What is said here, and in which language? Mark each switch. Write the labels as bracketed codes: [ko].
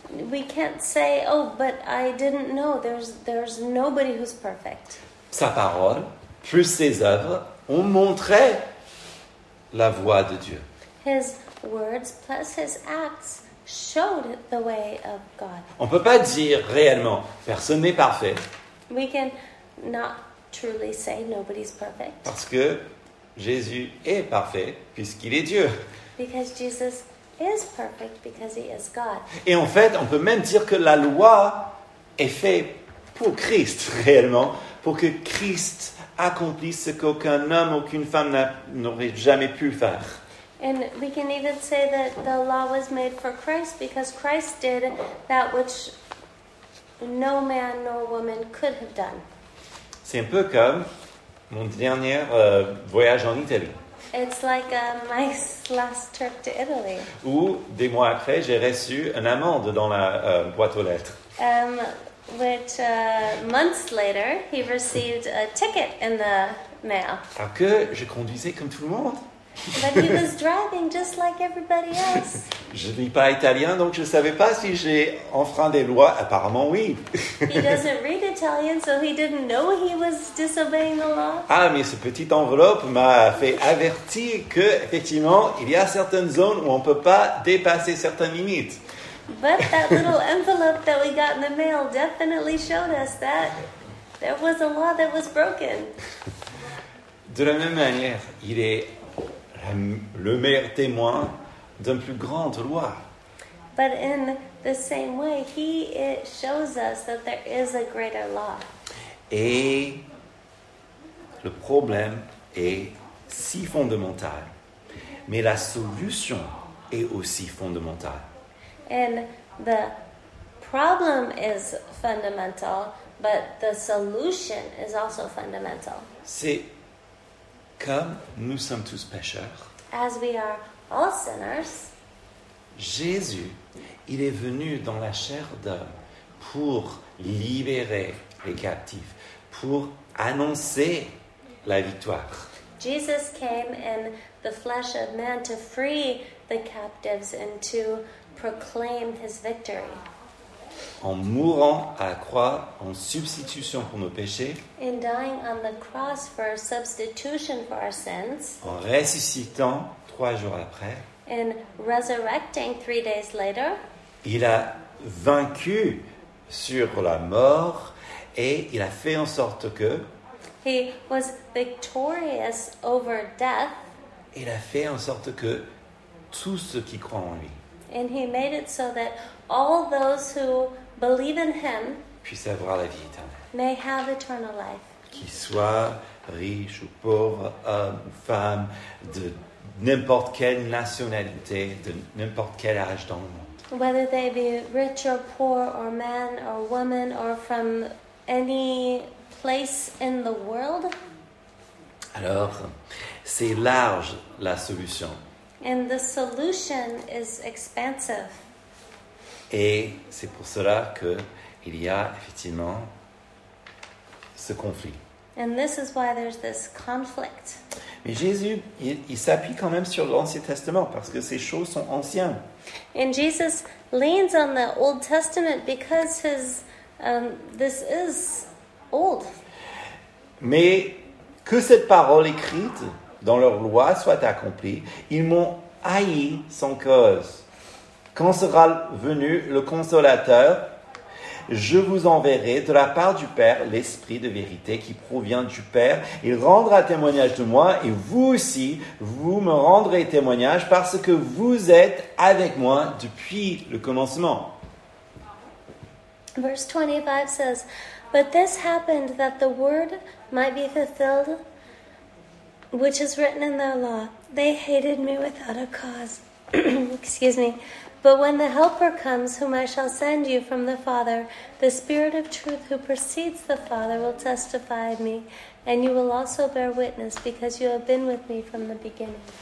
[en] We can't say, oh, but I didn't know. There's nobody who's perfect. [fr] Sa parole, plus ses œuvres, ont montré la voie de Dieu. [en] His words plus his acts showed the way of God. [fr] On ne peut pas dire réellement, personne n'est parfait. [en] We can not truly say nobody's perfect. [fr] Parce que Jésus est parfait puisqu'il est Dieu. [en] Because Jesus is perfect because he is God. [fr] Et en fait, on peut même dire que la loi est faite pour Christ, réellement, pour que Christ accomplisse ce qu'aucun homme, aucune femme n'aurait jamais pu faire. [en] And we can even say that the law was made for Christ because Christ did that which no man nor woman could have done. [fr] C'est un peu comme mon dernier voyage en Italie. [en] It's like my last trip to Italy. [fr] Où, des mois après, j'ai reçu une amende dans la boîte aux lettres. [en] Which, months later, he received a ticket in the mail. [fr] Parce que je conduisais comme tout le monde. [en] But he was driving just like everybody else. [fr] Je ne lis pas italien, donc je ne savais pas si j'ai enfreint des lois. Apparemment, oui. [en] He doesn't read Italian, so he didn't know he was disobeying the law. [fr] Ah, mais ce petit enveloppe m'a fait avertir que, effectivement, il y a certaines zones où on ne peut pas dépasser certaines limites. [en] But that little envelope that we got in the mail definitely showed us that there was a law that was broken. [fr] De la même manière, il est le meilleur témoin d'une plus grande loi. [en] But in the same way, he shows us that there is a greater law. [fr] Et le problème est si fondamental, mais la solution est aussi fondamentale. [en] And the problem is fundamental, but the solution is also fundamental. [fr] C'est comme nous sommes tous pécheurs. [en] As we are all sinners. [fr] Jésus, il est venu dans la chair d'homme pour libérer les captifs, pour annoncer la victoire. [en] Jesus came in the flesh of man to free the captives and to proclaim his victory. [fr] En mourant à la croix en substitution pour nos péchés, [en] in dying on the cross for a substitution for our sins, [fr] en ressuscitant 3 jours après, [en] and resurrecting 3 days later, [fr] il a vaincu sur la mort et il a fait en sorte que [en] he was victorious over death. [fr] Il a fait en sorte que tous ceux qui croient en lui, [en] and he made it so that all those who believe in him [fr] puissent avoir la vie éternelle, [en] may have eternal life. [fr] Qu'ils soient riches ou pauvres, hommes ou femmes, de n'importe quelle nationalité, de n'importe quel âge dans le monde. [en] Whether they be rich or poor, or man or woman, or from any place in the world. [fr] Alors, c'est large la solution. [en] And the solution is expansive. [fr] Et c'est pour cela que il y a effectivement ce conflit. [en] And this is why there's this conflict. [fr] Mais Jésus, il s'appuie quand même sur l'Ancien Testament parce que ces choses sont anciennes. [en] And Jesus leans on the Old Testament because this is old. [fr] Mais que cette parole écrite dans leur loi soit accomplie, ils m'ont haï sans cause. Quand sera venu le Consolateur, je vous enverrai de la part du Père l'Esprit de vérité qui provient du Père. Il rendra témoignage de moi et vous aussi, vous me rendrez témoignage parce que vous êtes avec moi depuis le commencement. [en] Verse 25 says, but this happened that the word might be fulfilled which is written in their law. They hated me without a cause. excuse me. But when the Helper comes, whom I shall send you from the Father, the Spirit of truth who precedes the Father will testify of me, and you will also bear witness, because you have been with me from the beginning.